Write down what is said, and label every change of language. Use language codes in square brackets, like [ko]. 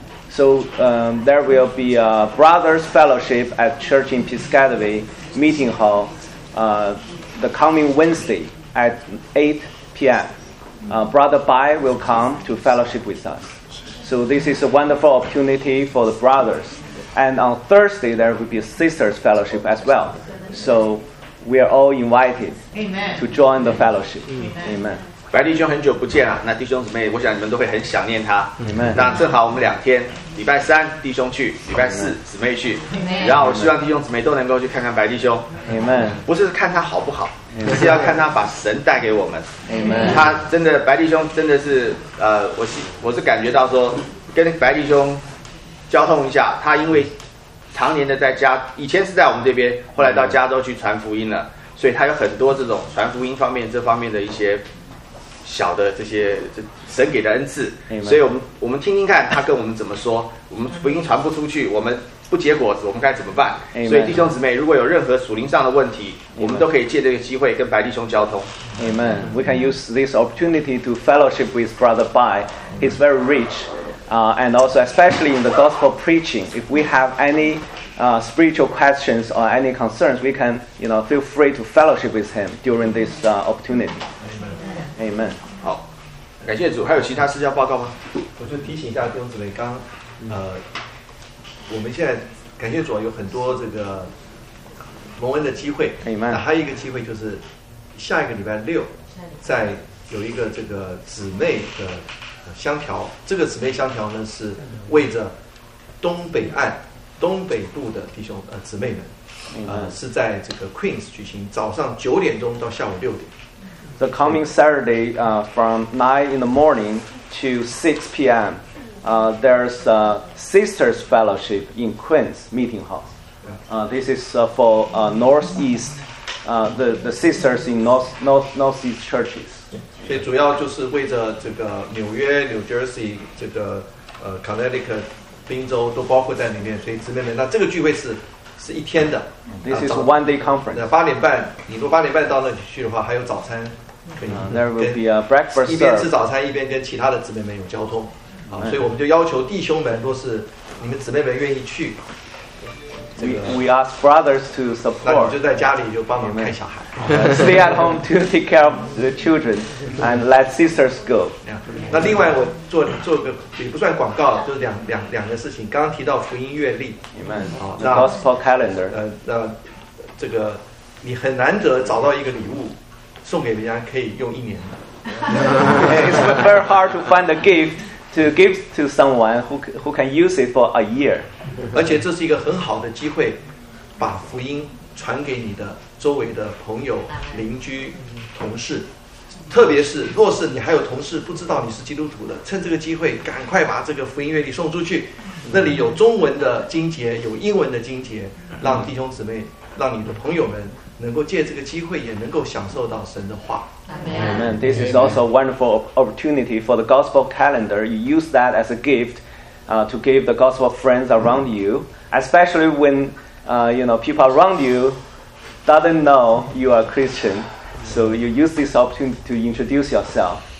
[en] So there will be a brothers fellowship at church in Piscataway meeting hall the coming Wednesday at 8 p.m. Brother Bai will come to fellowship with us. So this is a wonderful opportunity for the brothers. And on Thursday, there will be a sisters fellowship as well. So we are all invited to join the fellowship. Amen. [zh] 白弟兄很久不见啊，那弟兄姊妹，我想你们都会很想念他。 [en] Amen. [zh] 那正好我们两天，礼拜三弟兄去，礼拜四姊妹去。 [en] Amen. [zh] 然后我希望弟兄姊妹都能够去看看白弟兄。 [en] Amen. [zh] 不是看他好不好。就是要看他把神带给我们。 [en] Amen. [zh] 他真的白弟兄真的是我是感觉到说跟白弟兄交通一下，他因为常年的在家，以前是在我们这边，后来到加州去传福音了，所以他有很多这种传福音方面这方面的一些小的这些神给的恩赐。 [en] Amen. [zh] 所以我们听听看他跟我们怎么说，我们福音传不出去，我们不结果子，我们该怎么办？ [en] Amen. [zh] 所以弟兄姊妹，如果有任何属灵上的问题， Amen. 我们都可以借这个机会跟白弟兄交通。 [en] Amen. We can use this opportunity to fellowship with Brother Bai. He's very rich, and also especially in the gospel preaching. If we have any spiritual questions or any concerns, we can, you know, feel free to fellowship with him during this opportunity. Amen. Amen. [zh] 好，感谢主。还有其他事要报告吗？我就提醒一下弟兄姊妹，刚我们现在感谢主有很多这个蒙恩的机会。 [en] Amen. [zh] 还有一个机会就是下一个礼拜六在有一个这个姊妹的香调，这个姊妹香调呢是为着东北岸东北部的弟兄姊妹们，是在这个 Queens 举行，早上9:00到下午6:00。 [en] The coming Saturday from 9 in the morning to 6 p.m. There's a sisters fellowship in Queens meeting hall. This is for northeast the sisters in northeast churches. [zh] 所以主要就是为着这个纽约 New Jersey 这个Connecticut 宾州都包括在里面，所以姊妹们，那这个聚会是一天的。 [en] This is a one day conference. [zh] 那8:30，你如果8:30到那里去的话，还有早餐可以。 [en] There will be a breakfast. [zh] 一边吃早餐，一边跟其他的姊妹们有交通。 [en] Amen. [zh] 所以我们就要求弟兄们，若是你们姊妹们愿意去，这个、 [en] we ask brothers to support， [zh] 那你就在家里就帮忙看小孩。 [en] Stay at home to take care of the children and let sisters go。 [zh] 那另外我做个也不算广告，就是两个事情。刚刚提到福音月历 [en] ，the gospel calendar。 [zh] 那这个你很难得找到一个礼物送给人家可以用一年的。 [en] It's very hard to find a gift. To give to someone who can use it for a year. [zh] 而且这是一个很好的机会，把福音传给你的周围的朋友、邻居、同事。特别是，若是你还有同事不知道你是基督徒的，趁这个机会赶快把这个福音月历送出去。那里有中文的经节，有英文的经节，让弟兄姊妹、让你的朋友们能够借这个机会，也能够享受到神的话。 [en] Amen. This is also a wonderful opportunity for the gospel calendar. You use that as a gift to give the gospel friends around you, especially when you know, people around you doesn't know you are a Christian. So you use this opportunity to introduce yourself.